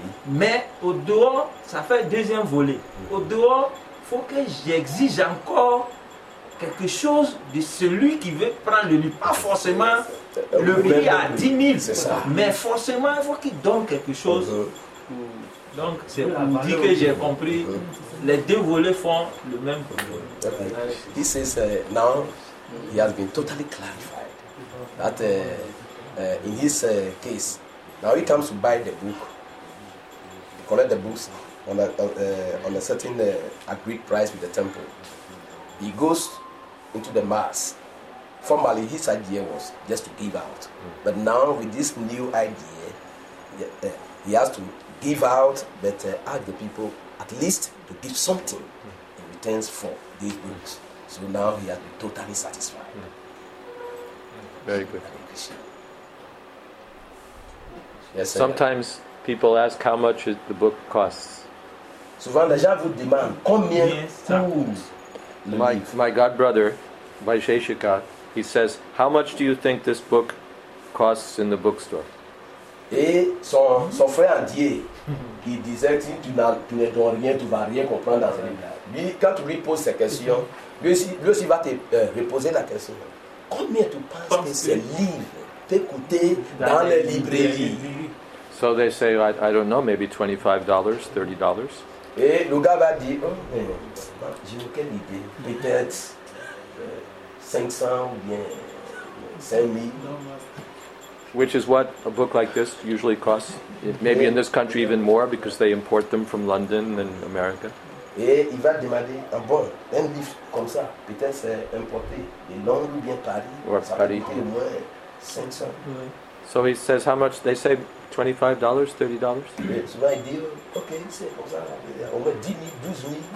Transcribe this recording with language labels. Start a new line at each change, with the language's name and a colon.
French: Mais au dehors, ça fait deuxième volet. Au dehors, il faut que j'exige encore quelque chose de celui qui veut prendre le livre. Pas forcément le prix à 10 000, mais forcément, il faut qu'il donne quelque chose. Donc, c'est pour vous dire que j'ai compris. Les deux volets font le même problème. Non.
English: He has been totally clarified that in his case, now he comes to buy the book, he collect the books on a certain agreed price with the temple. He goes into the mass. Formerly, his idea was just to give out. But now, with this new idea, he has to give out, but ask the people at least to give something in return for these books. So now he has been totally satisfied. Very good. Yes, sir. Sometimes people ask how much the book costs.
French: Souvent les gens vous demandent combien coûte.
English: My godbrother, Vaisheshika, he says, how much do you think this book costs in the bookstore?
French: Et son frère Dieu, qui disait tu ne dois rien, tu vas rien comprendre dans ce livre. Lui, quand tu lui poses ces questions, lui aussi va te reposer la question. Combien tu penses que ce livre peut coûter dans les librairies?
English: So they say, I don't know, maybe $25, $30.
French: Et le gars va dire, j'ai aucune idée, peut-être 500 ou bien 5000.
English: Which is what a book like this usually costs. Maybe in this country even more because they import them from London and America.
French: Et il va demander un bon, un livre comme ça, peut-être c'est importé de Londres ou bien Paris.
English: Or Paris.
French: Ça coûte au moins 500.
English: So he says how much? They say $25, $30.
French: Et souvent il dit, ok, c'est comme ça, au moins 10 000, 12 000.